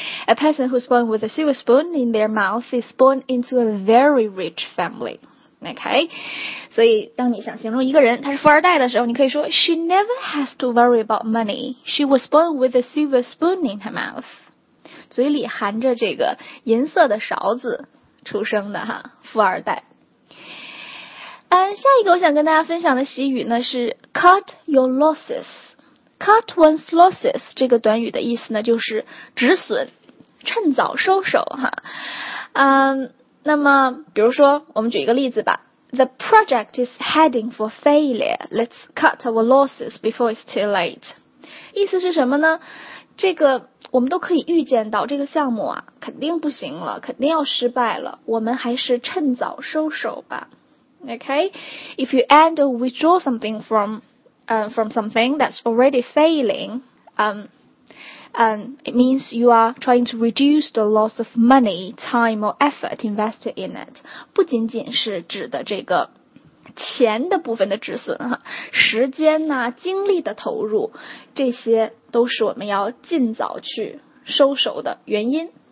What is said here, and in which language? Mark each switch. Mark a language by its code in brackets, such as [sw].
[en] A person who's born with a silver spoon in their mouth is born into a very rich family. [zh] OK， 所以当你想形容一个人他是富二代的时候，你可以说 [en] She never has to worry about money. She was born with a silver spoon in her mouth. [zh] 嘴里含着这个银色的勺子出生的哈，富二代。下一个我想跟大家分享的习语呢是 cut your losses. Cut one's losses 这个短语的意思呢就是止损，趁早收手哈。那么比如说我们举一个例子吧， [en] The project is heading for failure. Let's cut our losses before it's too late. [zh] 意思是什么呢？这个我们都可以预见到这个项目啊肯定不行了，肯定要失败了，我们还是趁早收手吧。 [en] OK， If you end or withdraw something from something that's already failing, it means you are trying to reduce the loss of money, time or effort invested in it. [zh] 不仅仅是指的这个钱的部分的止损哈，时间呐、精力的投入，这些都是我们要尽早去收手的原因。